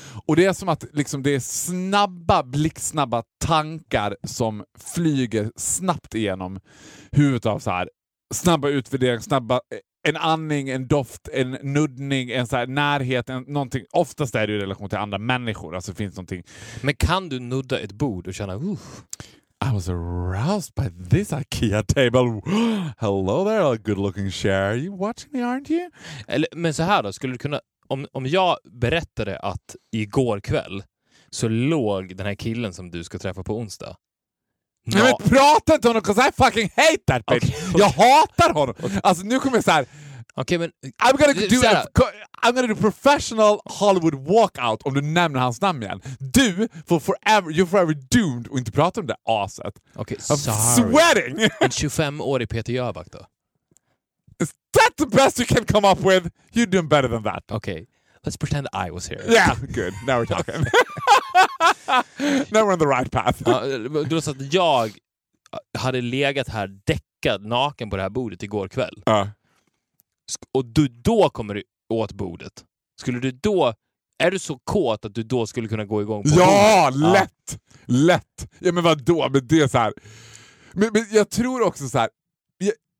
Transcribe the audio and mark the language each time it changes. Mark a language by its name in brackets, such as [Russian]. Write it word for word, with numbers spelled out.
[Swedish] Och det är som att liksom, det är snabba, blicksnabba tankar som flyger snabbt igenom huvudet av så här. Snabba utvärdering, snabba... En andning, en doft, en nuddning, en så här närhet, en, någonting. Oftast är det i relation till andra människor. Alltså finns någonting. Men kan du nudda ett bord och känna, uff. [English] I was aroused by this IKEA table. Hello there, a good looking chair. You watching me, aren't you? [Swedish] Eller, men så här då, skulle du kunna, om, om jag berättade att igår kväll så låg den här killen som du ska träffa på onsdag. [English] No. [Swedish] Nej, men prata inte honom, [English] because I fucking hate that bitch. [Swedish] Okay, okay. Jag hatar honom. Okay. Alltså nu kommer jag så här. Okay, men, [English] I'm gonna do a, I'm gonna do professional Hollywood walkout [Swedish] om du nämner hans namn igen. Du får [English] forever, you're forever doomed [Swedish] och inte prata om det aset. [English] Okay, I'm sorry. Sweating. [Swedish] En tjugofem-årig Peter Jöback då. [English] Is that the best you can come up with? You're doing better than that. Okay, let's pretend I was here. Yeah, good. Now we're talking. Now we're on the right path. [Swedish] Ja, då så att jag hade legat här däckad naken på det här bordet igår kväll. Uh. Och du då kommer du åt bordet. Skulle du då, är du så kåt att du då skulle kunna gå igång på ja, bordet? Lätt, ja, lätt. Ja, men vadå? Men det är så här. Men, men jag tror också så här. Jag,